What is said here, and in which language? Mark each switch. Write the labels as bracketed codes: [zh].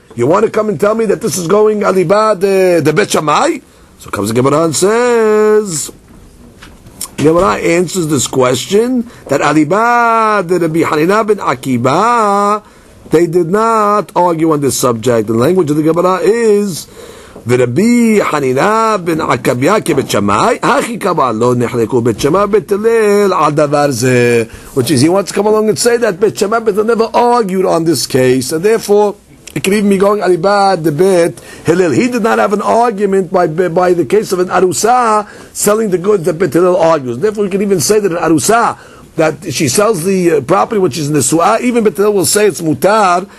[en] You want to come and tell me that this is going Alibad, the Beit Shammai? So comes the Gemara and says, Gemara answers this question, that Alibad, the Baharaniya bin Akiba, they did not argue on this subject. The language of the Gemara is, [he] ורבי חנינה בן עקביה כבית שמאי, הכי כבר לא נחלקו בית שמאי בית הלל על דבר זה. [en] Which is, he wants to come along and say that בית שמאי בית הלל never argued on this case, and therefore, it could even be going alibad the bit hillel. He did not have an argument by the case of an arusa selling the goods that bit hillel argues. Therefore, we can even say that an arusa, that she sells the property which is in the su'ah, even Beit Hillel will say it's mutar.